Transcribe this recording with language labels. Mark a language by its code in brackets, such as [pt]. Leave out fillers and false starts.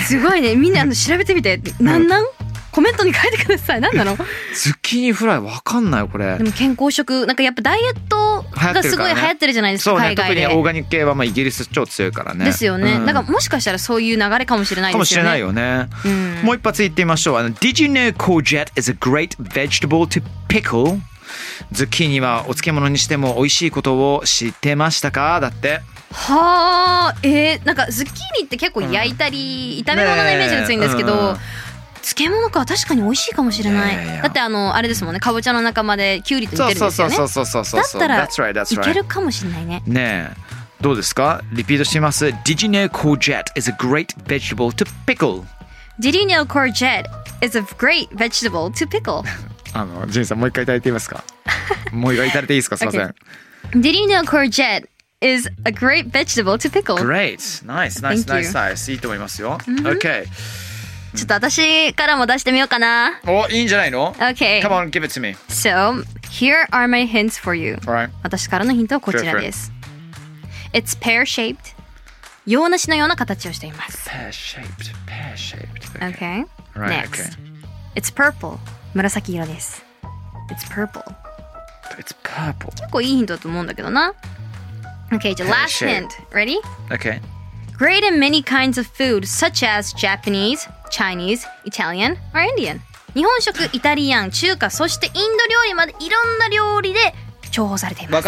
[ja] すごいね、みんな調べてみて、なんなん、コメントに書いてください。なんなのズッキーニフライ、わかんないこれ。でも健康食なんかやっぱダイエットがすごい流行ってるじゃないですか、海外で。そうね、特にオーガニック系はまあイギリス超強いからね。ですよね、うん、なんかもしかしたらそういう流れかもしれないですよね。かもしれないよね、うん、もう一発言ってみましょう。 [en] Did you know courgette is a great vegetable to pickle? [ja] ズッキーニはお漬物にしても美味しいことを知ってましたか。だってはあ、なんかズッキーニって結構焼いたり、うん、炒め物のイメージが強いんですけど、ね、漬物か、確かに美味しいかもしれない。だってあれですもんね、かぼちゃの仲間でキュウリと言ってるんですよね。そうそうそうそうそう、だったらいけるかもしれないね。ねえ、どうですか、リピートしてみます。 [en] Did you know courgette is a great vegetable to pickle? Did you know courgette is a great vegetable to pickle? [ja] ジンさん、もう一回いただいていいですか。もう一回いただいていいですか、すいません。 [en] Did you know courgette is a great vegetable to pickle? Great! Nice, nice, nice, nice, nice. [ja] いいと思いますよ、 [en] mm-hmm. Okay. [ja] ちょっと私からも出してみようかな。お、いいんじゃないの。 [en] Okay. Come on, give it to me. So, here are my hints for you. Alright. [ja] 私からのヒントはこちらです。 [en] It's pear-shaped. [ja] 洋梨のような形をしています。 [en] Pear-shaped. Pear-shaped. Okay. Okay. Right, okay. It's purple. [ja] 紫色です。 [en] It's purple. It's purple. [ja] 結構いいヒントだと思うんだけどな。 [en] Okay, じゃあ last hint. Ready? Okay. Great in many kinds of food, such as Japanese, Chinese, Italian, or Indian. [ja] 日本食、イタリアン、中華、そしてインド料理までいろんな料理で重宝されています。